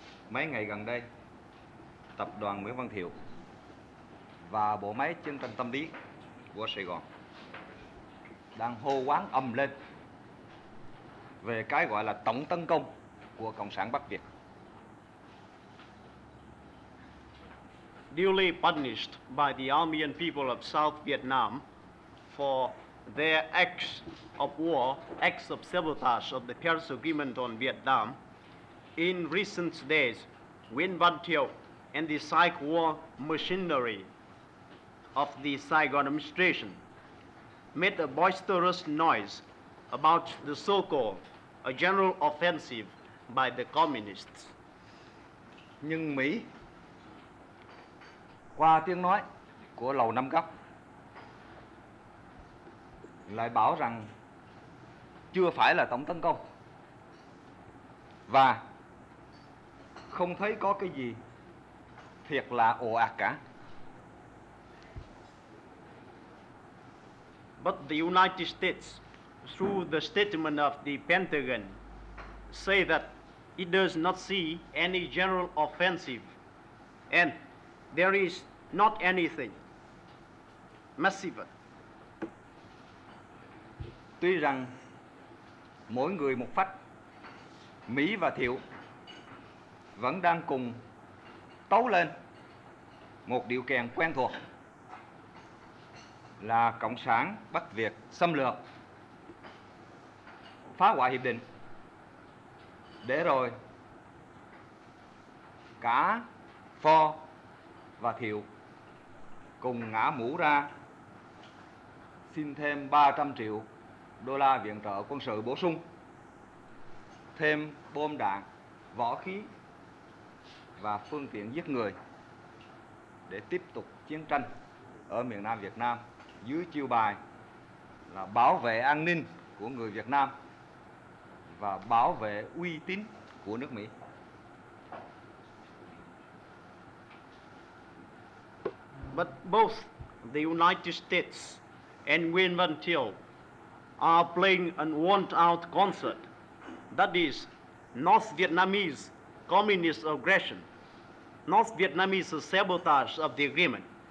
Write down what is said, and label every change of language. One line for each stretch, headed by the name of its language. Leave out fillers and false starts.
Vietnamese: Mấy ngày gần đây, tập đoàn Nguyễn Văn Thiệu và bộ máy chiến tranh tâm lý của Sài Gòn đang hô hoán ầm lên về cái gọi là tổng tấn công của Cộng sản Bắc Việt.
English: Duly punished by the army and people of South Vietnam for their acts of war, acts of sabotage of the Paris Agreement on Vietnam, in recent days, Nguyễn Văn Thiệu and the psych war machinery of the Saigon administration made a boisterous noise about the so-called a general offensive by the communists.
Vietnamese: Nhưng Mỹ, qua tiếng nói của Lầu Năm Góc, lại bảo rằng chưa phải là tổng tấn công và không thấy có cái gì thiệt là ồ ạt cả.
English: But the United States, through the statement of the Pentagon, say that it does not see any general offensive and there is not anything massive.
Vietnamese: Tuy rằng mỗi người một phách, Mỹ và Thiệu vẫn đang cùng tấu lên một điệu kèn quen thuộc là Cộng sản Bắc Việt xâm lược, phá hoại hiệp định, để rồi cả Ford và Thiệu cùng ngã mũ ra xin thêm 300 triệu đô la viện trợ quân sự bổ sung, thêm bom đạn, võ khí và phương tiện giết người để tiếp tục chiến tranh ở miền Nam Việt Nam dưới chiêu bài là bảo vệ an ninh của người Việt Nam và bảo vệ uy tín của nước Mỹ.
English: But both the United States and Nguyễn Văn Thiệu are playing an worn-out concert, that is, North Vietnamese communist aggression, North Vietnamese sabotage of the agreement.